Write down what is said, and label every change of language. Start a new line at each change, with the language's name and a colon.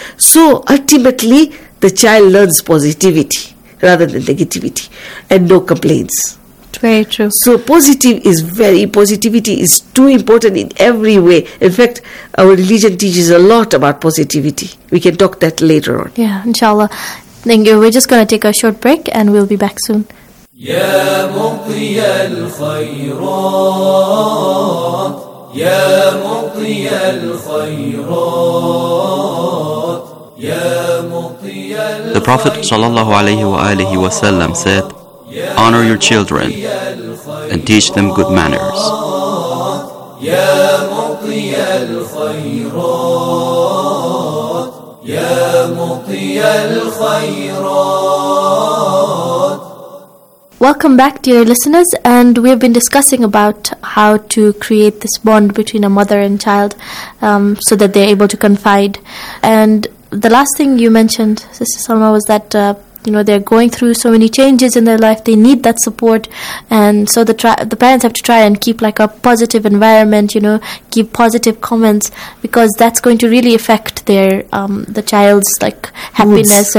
English: So ultimately, the child learns positivity rather than negativity and no complaints. Very true. So positivity is too important in every way. In fact, our religion teaches a lot about positivity. We can talk that later on. Yeah, inshallah. Thank you. We're just going to take a short break and we'll be back soon.
Arabic: يا مقضي الخيرات يا مقضي الخيرات يا مقضي الخيرات
English: The Prophet sallallahu alayhi wa alihi wa sallam said, honor your children and teach them good manners.
Arabic: يا مقضي الخيرات يا مقضي الخيرات
English: Welcome back, dear listeners, and we have been discussing about how to create this bond between a mother and child so that they're able to confide. And the last thing you mentioned, Sister Salma, was that they're going through so many changes in their life, they need that support, and so the parents have to try and keep like a positive environment, give positive comments, because that's going to really affect their the child's like happiness